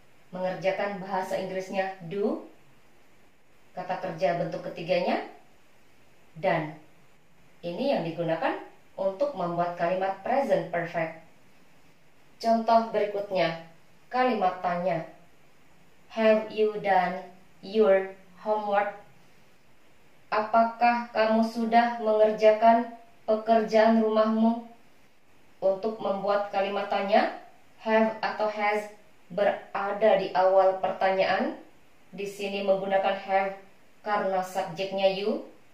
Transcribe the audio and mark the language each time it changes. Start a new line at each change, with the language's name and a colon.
Indonesian: Mengerjakan bahasa Inggrisnya do. Kata kerja bentuk ketiganya done. Ini yang digunakan untuk membuat kalimat present perfect. Contoh berikutnya, kalimat tanya.
English: Have you done your homework?
Indonesian: Apakah kamu sudah mengerjakan pekerjaan rumahmu? Untuk membuat kalimat tanya, have atau has berada di awal pertanyaan. Di sini menggunakan have karena subjeknya you.